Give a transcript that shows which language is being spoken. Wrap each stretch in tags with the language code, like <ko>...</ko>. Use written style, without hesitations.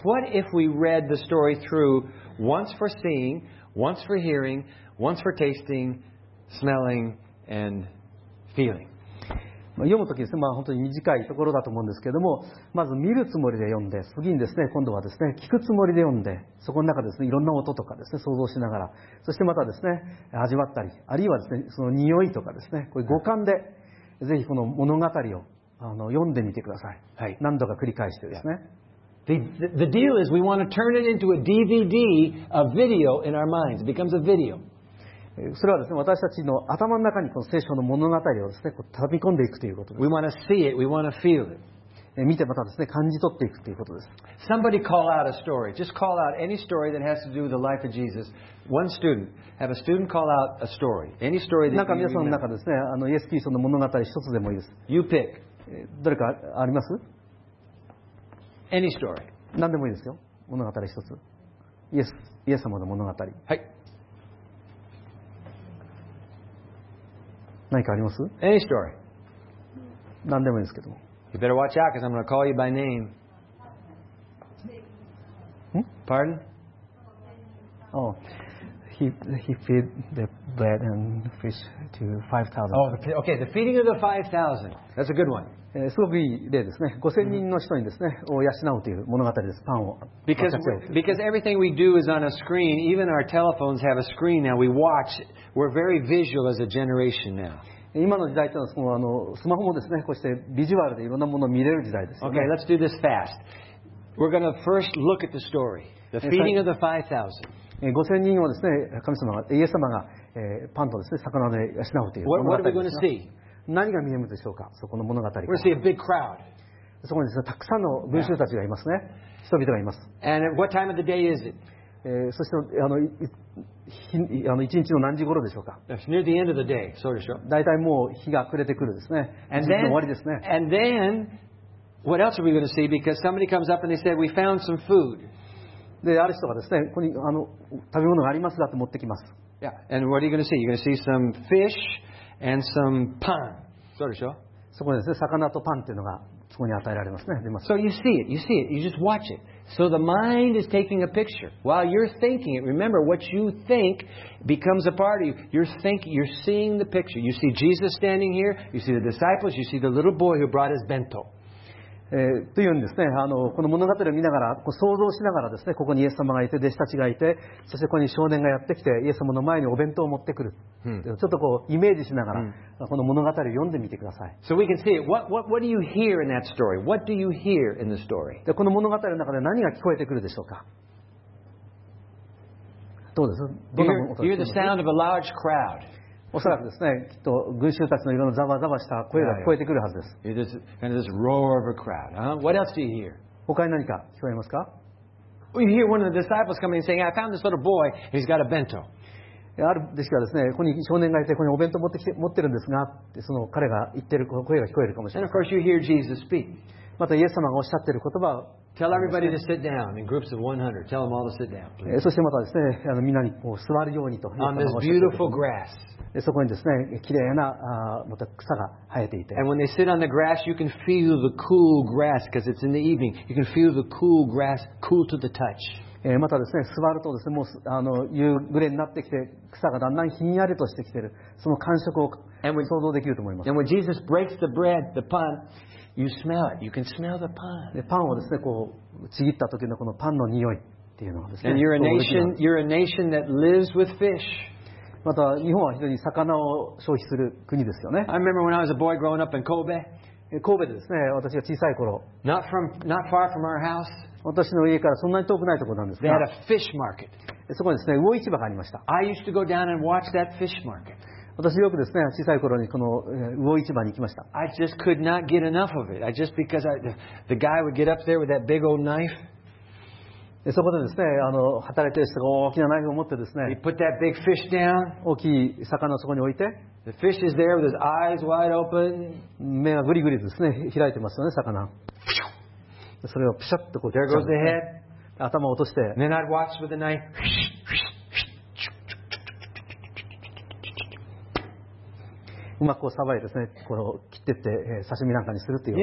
<en>What if we read the story through once for seeing, once for hearing, once for tasting, smelling, and...</en> <ja>読むときですね、まあ、本当に短いところだと思うんですけれども、まず見るつもりで読んで、次にですね、今度はですね、聞くつもりで読んで、そこの中ですね、いろんな音とかですね、想像しながら、そしてまたですね、味わったり、あるいはですね、その匂いとかですね、これ五感で、ぜひこの物語を読んでみてください。はい、何度か繰り返してですね。</ja> <en>The deal is we want to turn it into a DVD, a video in our minds. It becomes a video.</en> <ja>それはですね、私たちの頭の中にこの聖書の物語をですね、こう畳み込んでいくということです。</ja> <en>We want to see it. We want to feel it.</en> <ja>見てまたですね、感じ取っていくということです。</ja> <en>Somebody call out a story. Just call out any story that has to do with the life of Jesus. One student. Have a student call out a story. Any story that you remember.</en> <ja>皆さんの中ですね、イエス・キリストの物語一つでもいいです。</ja> <en>You pick.</en> <ja>どれかあります</ja> <en>?Any story.</en> <ja>何でもいいですよ。物語一つ。イエス様の物語。はい。何かあります?</ja> <en>Any story.</en> <ja>何でもいいですけども。</ja> <en>You better watch out because I'm going to call you by name. Pardon? Oh, he feed the bread and fish to 5,000. Oh, okay, the feeding of the 5,000. That's a good one.</en> <ja>すごくいい例ですね。 5,000人の人にですね、を養うという物語です。パンを。</ja> <en>Because everything we do is on a screen. Even our telephones have a screen now. We watch. We're very visual as a generation now.</en> <ja>今の時代というのは、スマホもですね、こうしてビジュアルでいろんなものを見れる時代ですね。</ja> <en>Okay, let's do this fast. We're going to first look at the story. The feeding of the 5,000.</en> <ja>5,000 人をですね、神様が、イエス様が、パンとですね、魚で養うという物語ですね。</ja> <en>What are we going to see?</en> <ja>何が見えるでしょうか、そこの物語から。</ja> <en>We're going to see a big crowd.</en> <ja>そこにですね、たくさんの群衆たちがいますね。人々がいます。</ja> <en>And at what time of the day is it?</en> <ja>そして一日の何時頃でしょうか。</ja> <en>It's near the end of the day.</en> <ja>そうでしょう。大体もう日が暮れてくるですね。</ja> <en>And then,</en> <ja>終わりですね。</ja> <en>And then, what else are we going to see? Because somebody comes up and they say, we found some food.</en> <ja>で、ある人がですね、ここに食べ物がありますだって持ってきます。</ja> <en>Yeah. And what are you going to see? You're going to see some fish and some pan.</en> <ja>そうでしょう。そこですね、魚とパンというのがそこに与えられますね。出ます。</ja> <en>So you see it, you see it, you just watch it. So the mind is taking a picture. While you're thinking it, remember what you think becomes a part of you. You're thinking, you're seeing the picture. You see Jesus standing here, you see the disciples, you see the little boy who brought his bento.</en> <ja>というんですね、この物語を見ながら、こう想像しながらですね、ここにイエス様がいて、弟子たちがいて、そしてここに少年がやってきて、イエス様の前にお弁当を持ってくる。ちょっとこうイメージしながら、この物語を読んでみてください。</ja> <en>So we can see it. What do you hear in that story? What do you hear in the story?</en> <ja>で、この物語の中で何が聞こえてくるでしょうか。どうです？どんな音ですか？</ja> <en>You hear the sound of a large crowd.</en> <ja>おそらくですね、きっと群衆たちのいろんなざわざわした声が聞こえてくるはずです。</ja> <en>It is kind of this roar of a crowd. What else do you hear?</en> <ja>他に何か聞こえますか?</ja> <en>You hear one of the disciples coming and saying, I found this little boy, and he's got a bento.</en> <ja>ある弟子がですね、ここに少年がいて、ここにお弁当持ってきて、持ってるんですが、その彼が言ってる声が聞こえるかもしれません。</ja> <en>And of course you hear Jesus speak.</en> <ja>またイエス様がおっしゃってる言葉を、</ja> <en>Tell everybody to sit down in groups of 100. Tell them all to sit down, please.</en> <ja>そしてまたですね、みんなにこう座るようにと。</ja> <en>On this beautiful grass.</en> <ja>そこにですね、きれいなまた草が生えていて。</ja> <en>And when they sit on the grass, you can feel the cool grass because it's in the evening. You can feel the cool grass, cool to the touch.</en> <ja>またですね、座るとですね、もう夕暮れになってきて、草がだんだんひんやりとしてきている。その感触を想像できると思います。</ja> <en>And when Jesus breaks the bread, the pan, you smell it. You can smell the pan.</en> <ja>パンをですね、こうちぎった時のこのパンの匂いっていうのがですね。</ja> <en>And you're a nation that lives with fish.</en> <ja>また日本は非常に魚を消費する国ですよね。</ja> <en>I remember when I was a boy growing up in Kobe.</en> <ja>神戸でですね、私が小さい頃。</ja> <en>Not far from our house.</en> <ja>私の家からそんなに遠くないところなんですが。</ja> <en>They had a fish market.</en> <ja>そこにですね、魚市場がありました。</ja> <en>I used to go down and watch that fish market.</en> <ja>私よくですね、小さい頃にこの魚市場に行きました。</ja> <en>I just could not get enough of it. I just because I, the guy would get up there with that big old knife.</en> <ja>そこでですね、働いている人が大きなナイフを持ってですね、</ja> <en>He put that big fish down.</en> <ja>大きい魚をそこに置いて、</ja> <en>The fish is there with his eyes wide open.</en> <ja>目がグリグリですね、開いてますよね、魚。それをプシャッとこう、</ja> <en>There goes the head.</en> <ja>頭を落として、</ja> <en>And then I'd watch with the knife.</en> <ja>うまくこうさばいてですね、こう切ってって刺身なんかにするっていう。</ja>